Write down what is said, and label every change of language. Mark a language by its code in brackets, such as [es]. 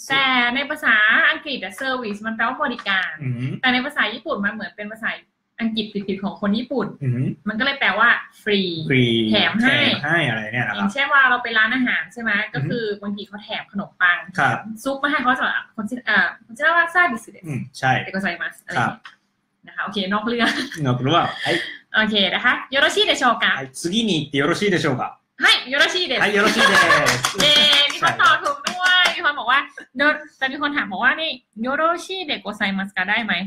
[th] แต่ในภาษาอังกฤษอะ service มันแปลว่าบริการแต่ในภาษาญี่ปุ่นมันเหมือนเป็นภาษาอังกฤษผิดๆของคนญี่ปุ่นมันก็เลยแปลว่า free แถมให้อะไรเนี่ยครับ เช่นว่าเราไปร้านอาหารใช่ไหมก็คือบางทีเขาแถมขนมปังซุปมาให้เขาจะคนที่คนที่เรียกว่าซาบิสึ ใช่ เอโกไซมัสอะไรนะคะโอเคนอกเรื่อง นอกเรื่อง โอเคนะคะ [ja] よろしいでしょうか次に行ってよろしいでしょうかはいよろしいですはいよろしいです [th] เย้มีคนตอบถูกด้วยมีคนบอกว่าแต่มีคนถามบอกว่านี่ [ja] よろしいでございますか [th] ได้ไหม